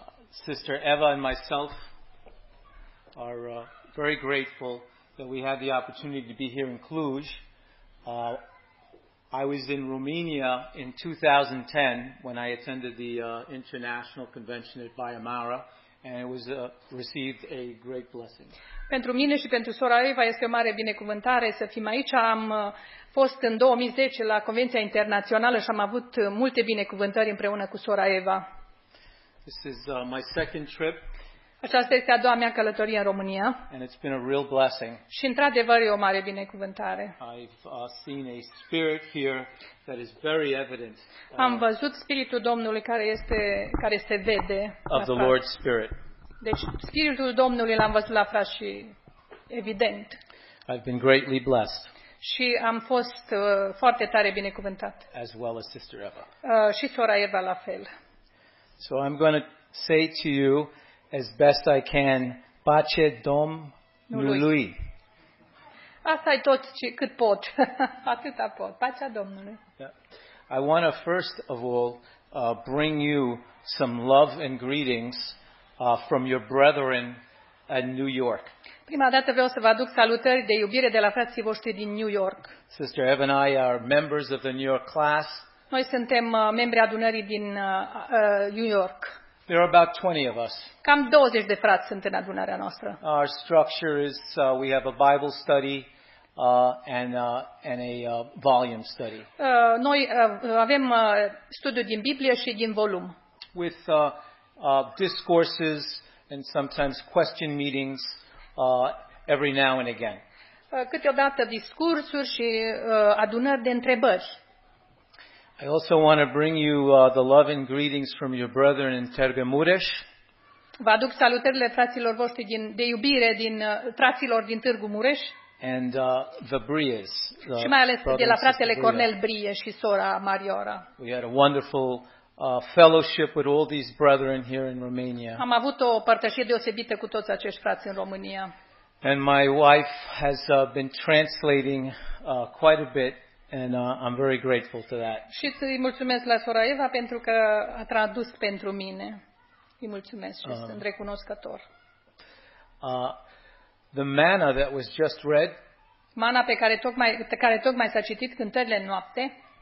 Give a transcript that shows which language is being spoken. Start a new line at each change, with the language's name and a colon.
English: Sister Eva and myself are very grateful that we had the opportunity to be here in Cluj. I was in Romania in 2010 when I attended the International Convention at Baia Mare, and it was received a great blessing.
Romanian: Pentru mine și pentru sora Eva este o mare binecuvântare să fim aici. Am fost în 2010 la Convenția Internațională și am avut multe binecuvântări împreună cu sora Eva.
English: This is my second trip.
Romanian: Aceasta este a doua mea călătorie în România.
English: And it's been a real blessing.
Romanian: Și într-adevăr e o mare binecuvântare.
English: I've seen a spirit here that is very evident.
Romanian: Am văzut spiritul Domnului care se vede.
English: Of the Lord's Spirit.
Romanian: Deci spiritul Domnului l-am văzut la frați și evident.
English: I've been greatly blessed.
Romanian: Și am fost foarte tare binecuvântat.
English: As well as Sister Eva.
Romanian: Și sora Eva la fel.
English: So I'm going to say to you as best I can,
Romanian: Pace Domnului. Asta e tot ce cât pot. Atâta pot. Pacea Domnului.
English: I want to first of all bring you some love and greetings from your brethren in New York.
Romanian: Prima dată vreau să vă aduc salutări de iubire de la frații voștri din New York.
English: Sister Eva and I are members of the New York class.
Romanian: Noi suntem membri adunării din New York.
English: There are about 20 of us.
Romanian: Cam 20 de frați sunt în adunarea noastră.
English: Our structure is we have a Bible study and a volume study.
Romanian: Noi avem studiu din Biblie și din volum.
English: With discourses and sometimes question meetings every now and again.
Romanian: Câteodată discursuri și adunări de întrebări.
English: I also want to bring you the love and greetings from your brethren in Târgu Mureș.
Romanian: Vă aduc salutările fraților voștri din de iubire din fraților din Târgu Mureș.
English: And the Brias.
Romanian: Și mai ales de la fratele Cornel Brie și sora Mariora.
English: We had a wonderful fellowship with all these brethren here in Romania.
Romanian: Am avut o părtășie deosebită cu toți acești frați în România.
English: And my wife has been translating quite a bit. And I'm very grateful to that.
Romanian: Și îi mulțumesc la sora Eva pentru că a tradus pentru mine. Îi mulțumesc și sunt recunoscător.
English: The manna that was just read.
Romanian: Manna pe care tocmai s-a citit cântările noapte.